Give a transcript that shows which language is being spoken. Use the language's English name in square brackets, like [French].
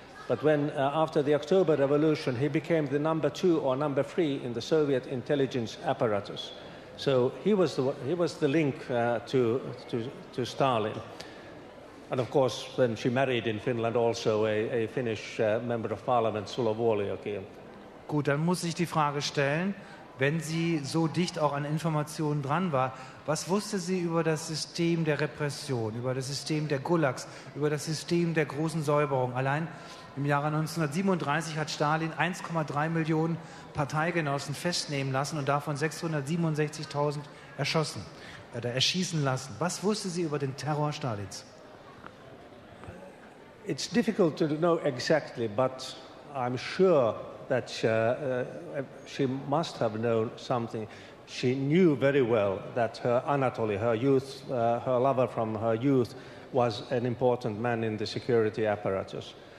[English] But when, after the October Revolution, he became the number two or number three in the Soviet intelligence apparatus. So he was the link to Stalin. And of course, then she married in Finland also a Finnish member of parliament, Sulo Vuolijoki. [German] Gut, dann muss ich die Frage stellen, wenn sie so dicht auch an Informationen dran war, was wusste sie über das System der Repression, über das System der Gulags, über das System der großen Säuberung? Allein im Jahre 1937 hat Stalin 1,3 Millionen Parteigenossen festnehmen lassen und davon 667.000 erschossen oder erschießen lassen. Was wusste sie über den Terror Stalins? [English] It's difficult to know exactly, but I'm sure that she must have known something. She knew very well that her Anatoly, her lover from her youth, was an important man in the security apparatus.